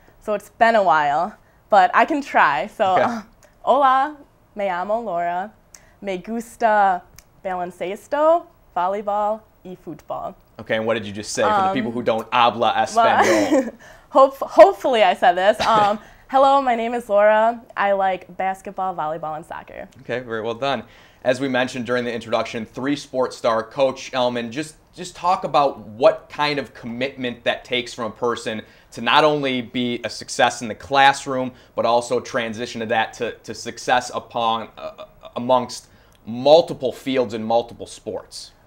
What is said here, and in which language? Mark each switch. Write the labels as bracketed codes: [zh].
[en] So it's been a while, but I can try. [es] So, hola, me llamo Laura, me gusta baloncesto, volleyball y fútbol. [en] Okay, and what did you just say for the people who don't [es] habla español? [en] Well, hopefully I said this. hello, my name is Laura. I like basketball, volleyball, and soccer. Okay, very well done. As we mentioned during the introduction, three sports star, Coach Ellman, just talk about what kind of commitment that takes from a person to not only be a success in the classroom, but also transition to that to success amongst multiple fields and multiple sports.